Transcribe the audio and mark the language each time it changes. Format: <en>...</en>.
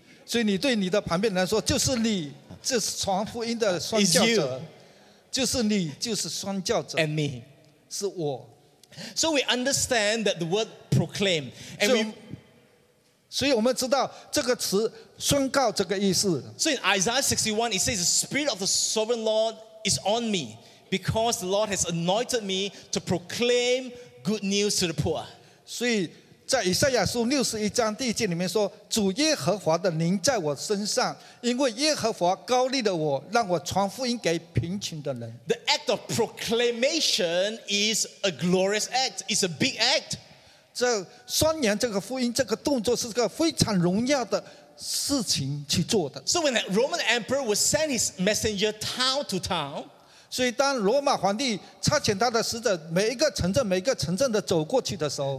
<zh>所以你对你的旁边来说，就是你，这是传福音的宣教者。</zh> <en>Is you.</en> <zh>就是你，就是宣教者。</zh> <en>And me.</en> <zh>是我。</zh> <en>So we understand that the word proclaim. And we...</en> <zh>所以我们知道这个词宣告这个意思。</zh> <en>So in Isaiah 61, it says, "The Spirit of the Sovereign Lord is on me, because the Lord has anointed me to proclaim good news to the poor."</en> <zh>所以在以赛亚书61章第一节里面说，主耶和华的灵在我身上，因为耶和华膏立了我，让我传福音给贫穷的人。</zh> <en>The act of proclamation is a glorious act. It's a big act.</en> <zh>这宣扬这个福音，这个动作是个非常荣耀的事情去做的。</zh> <en>So when the Roman Emperor would send his messenger town to town,</en> <zh>所以当罗马皇帝差遣他的使者每一个城镇、每一个城镇的走过去的时候</zh>